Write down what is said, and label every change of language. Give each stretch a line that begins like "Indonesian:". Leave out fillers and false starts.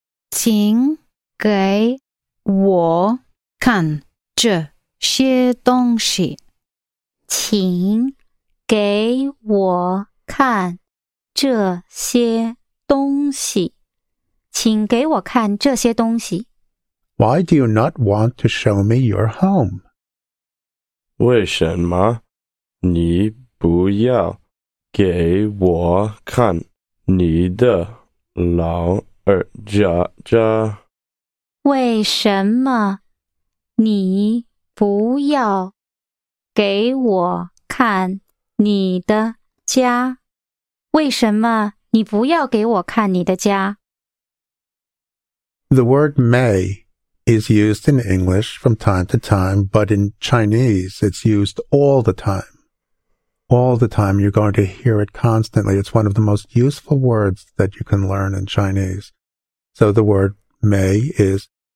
Chinese: 请给我看这些东西。请给我看这些东西。请给我看这些东西。
English: Why do you not want to show me your home?
Chinese: 为什么你不要给我看你的老二家家？为什么你不要给我看你的家？为什么你不要给我看你的家？
English: The word may. Is used in English from time to time, but in Chinese, it's used all the time. All the time, you're going to hear it constantly. It's one of the most useful words that you can learn in Chinese. So the word may is